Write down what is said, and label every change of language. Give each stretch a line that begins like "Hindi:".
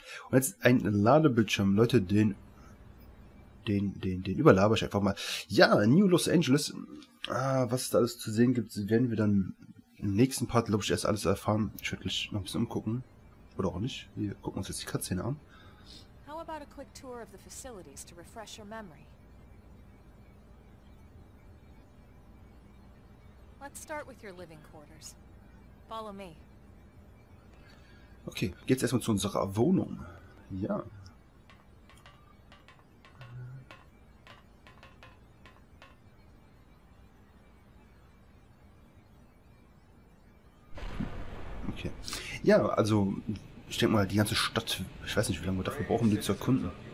German: Und jetzt ein Ladebildschirm, Leute, den überlabere ich einfach mal. Ja, New Los Angeles, was da alles zu sehen gibt, werden wir dann im nächsten Part, glaube ich, erst alles erfahren. Ich würde gleich noch ein bisschen umgucken, oder auch nicht. Wir gucken uns jetzt die Cutscene an.
English: How about a quick tour of the facilities to refresh your memory? Let's start with your living quarters. Follow me.
German: Okay, geht's erstmal zu unserer Wohnung. Ja. Okay. Ja, also, ich denke mal, die ganze Stadt, ich weiß nicht, wie lange wir dafür brauchen, die zu erkunden.